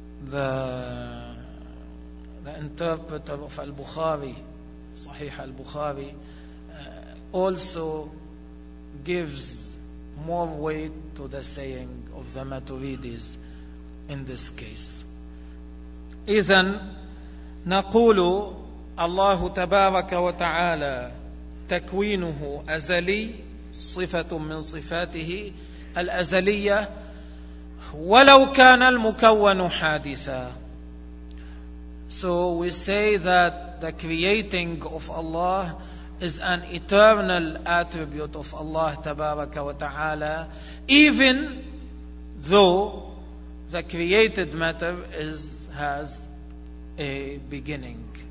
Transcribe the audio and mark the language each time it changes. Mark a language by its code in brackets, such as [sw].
[en] the interpreter of Al-Bukhari, Sahih Al-Bukhari, also gives more weight to the saying of the Maturidis in this case. [ar] إذن نقول الله تبارك وتعالى تكوينه أزلي صفة من صفاته الأزلية وَلَوْ كَانَ الْمُكَوَّنُ حَادِثًا. [en] So we say that the creating of Allah is an eternal attribute of Allah Tabaraka wa Ta'ala, even though the created matter has a beginning.